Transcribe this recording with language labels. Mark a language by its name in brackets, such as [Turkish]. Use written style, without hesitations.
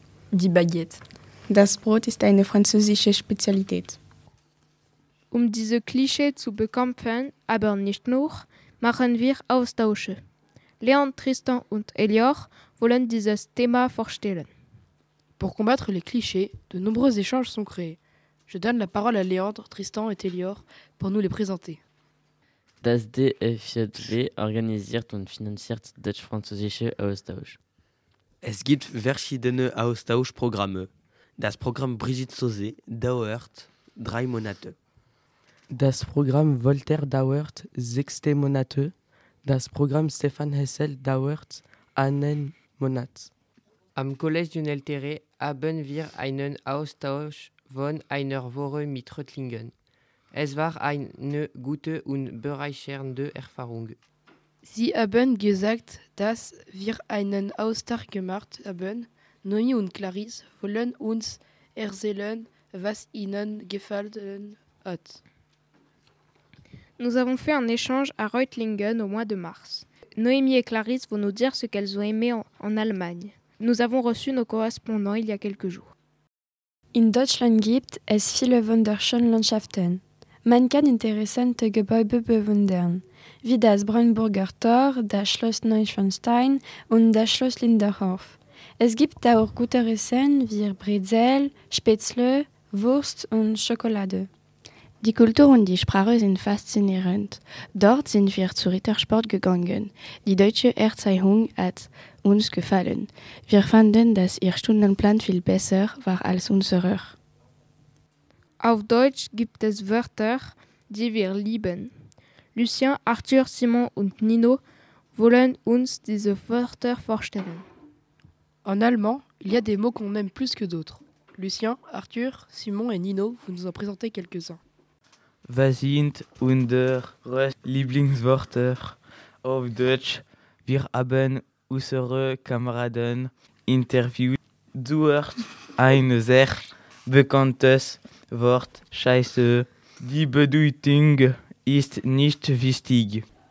[German] Die Baguette. Das Brot ist eine französische Spezialität. Um diese Klischee zu bekämpfen, aber nicht nur, machen wir Austausche. Léon, Tristan und Elior wollen dieses Thema vorstellen. [French] Pour combattre les clichés, de nombreux échanges sont créés. Je donne la parole à Léandre, Tristan et Elior pour nous les présenter. [German] Das DFJW organisiert und finanziert deutsch-französische Austausch. Es gibt verschiedene Austauschprogramme. Das Programm Brigitte Sauzé dauert 3 Monate. Das Programm Voltaire dauert 6 Monate. Das Programm Stefan Hessel dauert 1 Monat. Am Collège du Neltere haben wir einen Austausch von einer Woche mit Röttlingen. Es war eine gute und bereichernde Erfahrung. Sie haben gesagt, dass wir einen Austausch gemacht haben. Noemi und Clarisse wollen uns erzählen, was ihnen gefallen hat. [French] Nous avons fait un échange à Reutlingen au mois de mars. Noémie et Clarisse vont nous dire ce qu'elles ont aimé en Allemagne. Nous avons reçu nos correspondants il y a quelques jours. [German] In Deutschland gibt es viele wunderschöne Landschaften. Man kann interessante Gebäude bewundern, wie das Brandenburger Tor, das Schloss Neuschwanstein und das Schloss Linderhof. Es gibt auch gute Essen wie Brezel, Spätzle, Wurst und Schokolade. Die Kultur und die Sprache sind faszinierend. Dort sind wir zu Rittersport gegangen. Die Deutsche Erziehung hat uns gefallen. Wir fanden, dass ihr Stundenplan viel besser war als unserer. Auf Deutsch gibt es Wörter, die wir lieben. Lucien, Arthur, Simon und Nino wollen uns diese Wörter vorstellen. [French] En allemand, il y a des mots qu'on aime plus que d'autres. Lucien, Arthur, Simon et Nino, vous nous en présentez quelques-uns. [German] Was sind unsere Lieblingswörter auf Deutsch? Wir haben unsere Kameraden interviewt. Du hast ein sehr bekanntes Wort, Scheiße. Die Bedeutung ist nicht wichtig.